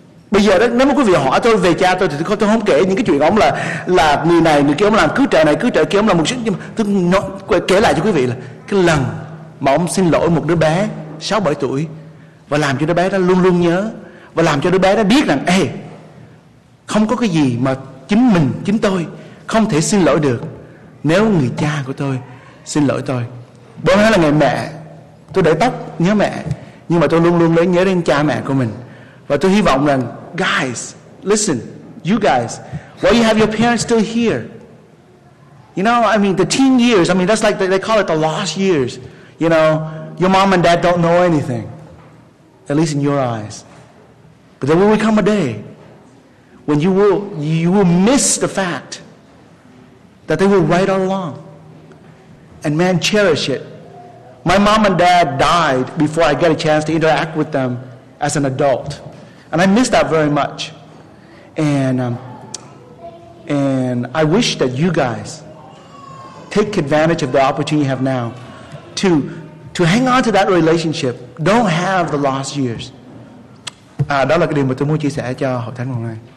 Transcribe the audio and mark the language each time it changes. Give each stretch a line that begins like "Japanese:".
Vietnamese: Bây giờ đó, nếu mà quý vị hỏi tôi về cha tôi thì tôi không kể những cái chuyện ông là người này người kia, ông làm cứ trợ này cứ trợ kia, ông là một sức, nhưng mà tôi nói, kể lại cho quý vị là cái lần mà ông xin lỗi một đứa bé 6-7 tuổi và làm cho đứa bé đó luôn luôn nhớ, và làm cho đứa bé đó biết rằng ê, không có cái gì mà chính tôi không thể xin lỗi được nếu người cha của tôi xin lỗi tôi. Bữa nay là ngày mẹ, tôi để tóc nhớ mẹ, nhưng mà tôi luôn luôn nhớ đến cha mẹ của mình. Và tôi hy vọng rằng,
English: guys, listen, you guys, why you have your parents still here? You know, I mean, the teen years, I mean, that's like, they call it the lost years. You know, your mom and dad don't know anything, at least in your eyes. But there will come a day when you will miss the fact that they were right all along. And man, cherish it. My mom and dad died before I got a chance to interact with them as an adult. And I miss that very much. And I wish that you guys take advantage of the opportunity you have now to hang on to that relationship. Don't have the lost years.
Vietnamese: Đó là cái điều mà tôi muốn chia sẻ cho hội thánh hôm nay.